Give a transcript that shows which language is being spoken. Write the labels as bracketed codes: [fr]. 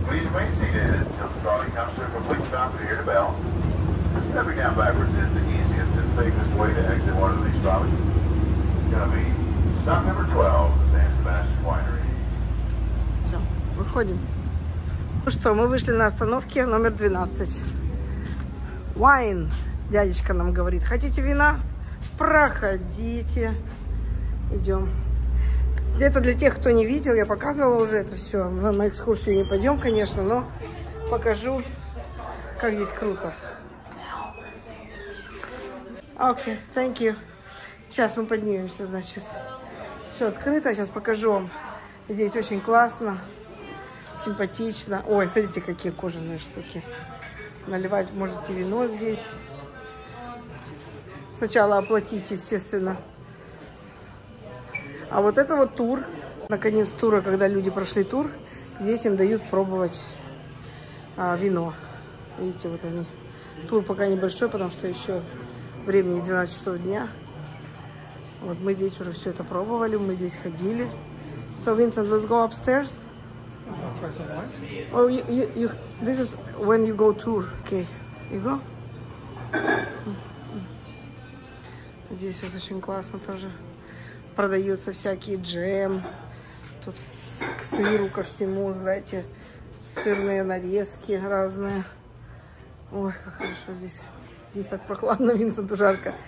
[en] Please remain seated until the trolley comes to a complete stop to hear the bell. Stepping down backwards is the easiest and safest way to exit one of these trolleys. It's going to be stop number 12, the San Sebastian Winery. So, we're heading. [ru] Ну что, мы вышли на остановке номер 12. Wine, дядечка нам говорит. Хотите вина? Проходите. Идем. Это для тех, кто не видел. Я показывала уже это все. Мы на экскурсию не пойдем, конечно, но покажу, как здесь круто. Окей, [en] thank you. [ru] Сейчас мы поднимемся, значит. Все открыто. Сейчас покажу вам. Здесь очень классно. Симпатично. Ой, смотрите, какие кожаные штуки. Наливать можете вино здесь. Сначала оплатить, естественно. А вот это вот тур. Наконец тура, когда люди прошли тур, здесь им дают пробовать вино. Видите, вот они. Тур пока небольшой, потому что еще времени 12 часов дня. Вот мы здесь уже все это пробовали, мы здесь ходили. [en] So, Vincent, let's go upstairs. Oh, you, this is when you go tour, okay? You go. [ru] Здесь вот очень классно тоже продаются всякие джем, тут к сыру ко всему, знаете, сырные нарезки разные. Ой, как хорошо здесь. Здесь так прохладно, Винсенту жарко.